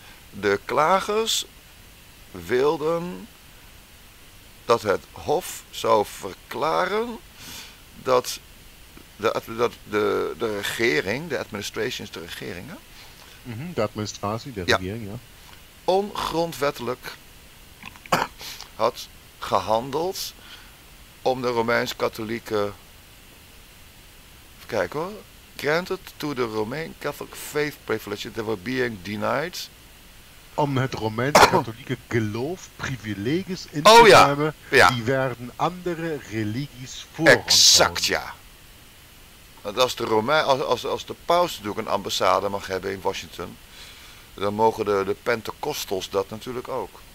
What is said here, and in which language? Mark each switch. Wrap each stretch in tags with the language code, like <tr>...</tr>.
<nl>De klagers wilden dat het Hof zou verklaren dat de regering, de administrations, de regeringen. De administratie, de regering, ja. Ongrondwettelijk had gehandeld om de Romeins-Katholieke. Even kijken hoor.</nl> <en>Granted to the Roman Catholic faith privilege that were being denied.</en> <nl>Om het Romeins-Katholieke geloof privileges in te nemen. Ja. Ja. Die werden andere religies voorgehouden. Exact, ja. Want als de als de paus natuurlijk een ambassade mag hebben in Washington, dan mogen de Pentecostals dat natuurlijk ook.</nl>